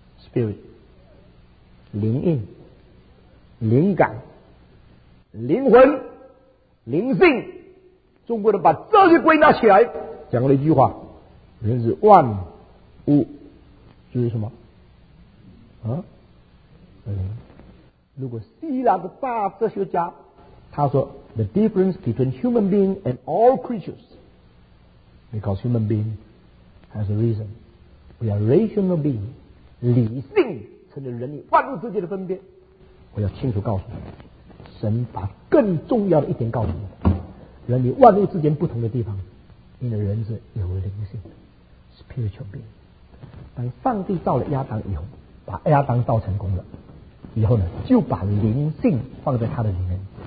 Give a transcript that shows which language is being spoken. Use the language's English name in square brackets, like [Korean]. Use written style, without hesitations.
[Chinese] Spirit， 灵印，灵感，灵魂，灵性，中国人把哲学归纳起来，讲了一句话：人是万物，就是什么？如果希腊的大哲学家他说 [English] ，the difference between human being and all creatures， because human being has a reason， we are rational being， [Chinese] 理性成了人与万物之间的分别。我要清楚告诉你，神把更重要的一点告诉你，人与万物之间不同的地方，因为人是有灵性的 [English] spiritual being。 [Chinese] 当上帝造了亚当以后，把亚当造成功了，以后呢，就把灵性放在他的里面。